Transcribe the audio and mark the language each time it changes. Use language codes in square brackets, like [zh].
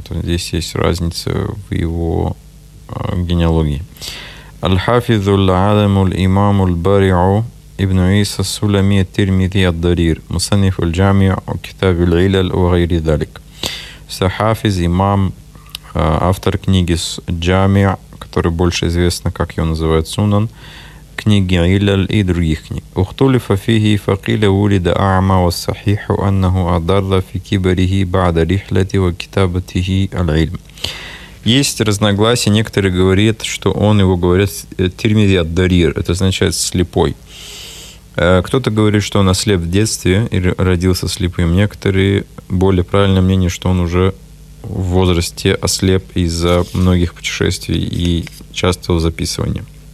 [ru] То есть здесь есть разница в его генеалогии. [ar] الحافظ العالم الإمام البارع ابن عيسى السلمي الترمذي الضرير مصنف الجامع وكتاب العلل وغير ذلك سحافز إمام [ru] автор книги [ar] الجامع [ru] который больше известно как его называют Сунан [ar] книги علل [ru] и других книг [ar] اختلف فيه فقيل ولد أعمى والصحيح أنه أضر في كبره بعد رحلة وكتابته العلم. [ru] Есть разногласия, некоторые говорят, что он его говорят Тирмизи ад-Дарир, это означает слепой. Кто-то говорит, что он ослеп в детстве и родился слепым. Некоторые, более правильное мнение, что он уже в возрасте ослеп из-за многих путешествий и частого записывания.